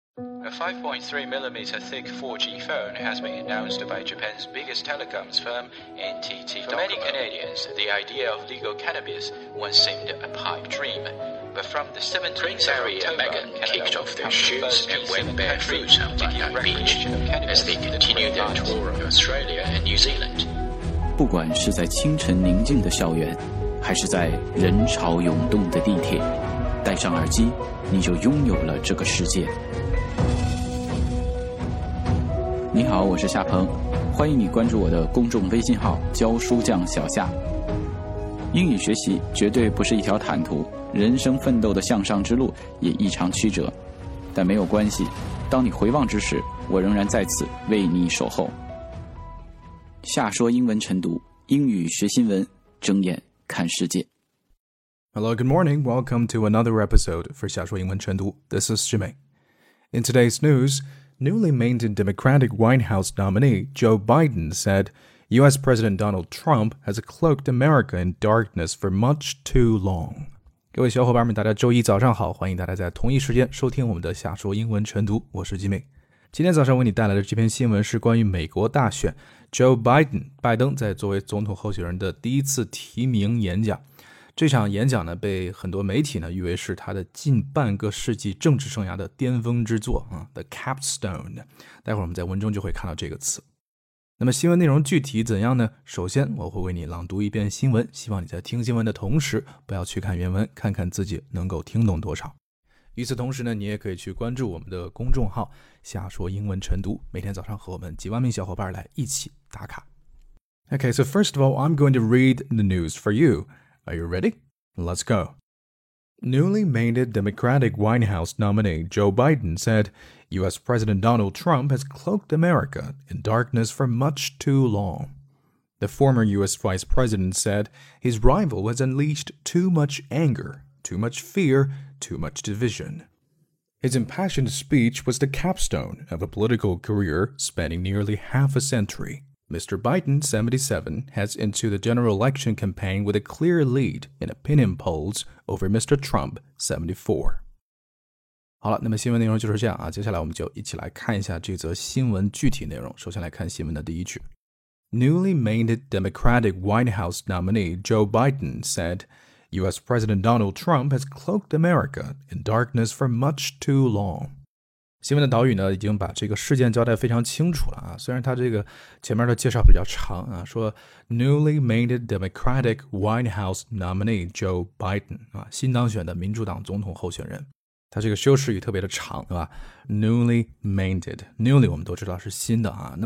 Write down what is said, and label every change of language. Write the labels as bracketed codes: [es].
[en] A 5.3mm thick 4G phone has been announced by Japan's biggest telecoms firm, NTT Docomo. For many Canadians, the idea of legal cannabis once seemed a pipe dream. But from the 17th of October, Canada kicked off their shoes and went barefoot on Bondi Beach as they continued their tour of Australia and New Zealand. [zh] 不管是在清晨宁静的校园，还是在人潮涌动的地铁，戴上耳机，你就拥有了这个世界。你好，我是夏鹏，欢迎你关注我的公众微信号“教书匠小夏”。英语学习绝对不是一条坦途，人生奋斗的向上之路也异常曲折，但没有关系，当你回望之时，我仍然在此为你守候。夏说英文晨读，英语学新闻，睁眼看世界。 [en] Hello, good morning. Welcome to another episode for [zh] 夏说英文晨读。 [en] This is Jimmy. In today's news, newly named Democratic White House nominee Joe Biden said U.S. President Donald Trump has cloaked America in darkness for much too long. [zh] 各位小伙伴们，大家周一早上好，欢迎大家在同一时间收听我们的夏说英文晨读。我是 Jimmy。今天早上为你带来的这篇新闻是关于美国大选 Joe Biden 拜登在作为总统候选人的第一次提名演讲。这场演讲呢，被很多媒体呢誉为是他的近半个世纪政治生涯的巅峰之作啊 ，The Capstone。待会儿我们在文中就会看到这个词。那么新闻内容具体怎样呢？首先我会为你朗读一遍新闻，希望你在听新闻的同时不要去看原文，看看自己能够听懂多少。与此同时呢，你也可以去关注我们的公众号瞎说英文晨读，每天早上和我们几万名小伙伴来一起打卡。 [en] Okay, so first of all, I'm going to read the news for you. Are you ready? Let's go. Newly minted Democratic White House nominee Joe Biden said U.S. President Donald Trump has cloaked America in darkness for much too long. The former U.S. Vice President said his rival has unleashed too much anger, too much fear, too much division. His impassioned speech was the capstone of a political career spanning nearly half a century. Mr. Biden, 77, heads into the general election campaign with a clear lead in opinion polls over Mr. Trump, 74. [zh] 好了，那么新闻内容就是这样啊。接下来我们就一起来看一下这则新闻具体内容。首先来看新闻的第一句。 [en] Newly minted Democratic White House nominee Joe Biden said,U.S. President Donald Trump has cloaked America in darkness for much too long. [zh] 新闻的导语呢已经把这个事件交代非常清楚了啊。虽然他这个前面的介绍比较长啊，说 [en] newly minted Democratic White House nominee Joe Biden [zh] 啊，新当选的民主党总统候选人，他这个修饰语特别的长，对吧 ？ [en] Newly minted, newly [zh] 我们都知道是新的啊。